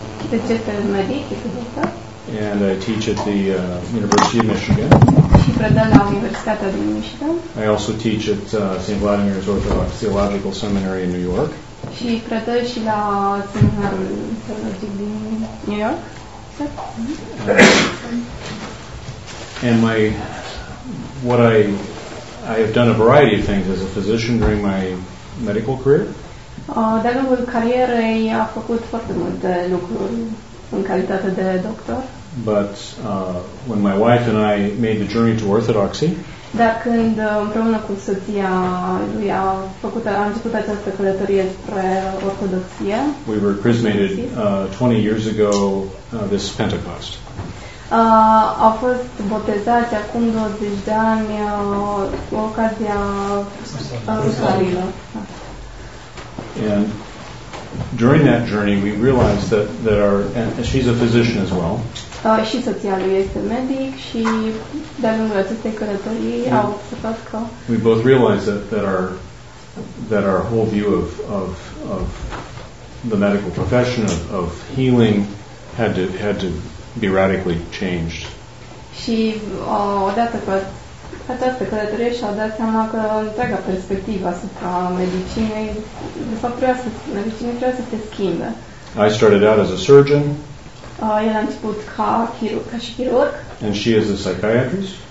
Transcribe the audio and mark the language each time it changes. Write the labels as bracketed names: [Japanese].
[Romanian] Deci este medic, este doctor. [English] And I teach at the University of Michigan. [Romanian] Și predă la Universitatea din Michigan. [English] I also teach at St. Vladimir's Orthodox Theological Seminary in New York. [Romanian] Și predă și la Seminarul Teologic din New York. [English] And I have done a variety of things as a physician during my medical career. [Romanian] De-a lungul carierei a făcut foarte multe lucruri în calitate de doctor. [English] But when my wife and I made the journey to Orthodoxy, [Romanian] dar când împreună cu soția lui a început această călătorie spre Ortodoxie, [English] we were chrismated 20 years ago this Pentecost. [Romanian] A fost botezați acum 20 de ani cu ocazia Rusalilor. [English] And during that journey we realized that our, and she's a physician as well. [Romanian] Și soția lui este medic și de-a lungul acestei călătorii au observat că [English] we both realized that our whole view of the medical profession of healing had to be radically changed. [Romanian] Și odată cu această călătorie și-au dat seama că întreaga perspectivă asupra medicinei, de fapt, medicinei trebuie să se schimbe. [English] I started out as a surgeon. [Romanian] El a început ca și chirurg. [English] And she is a psychiatrist.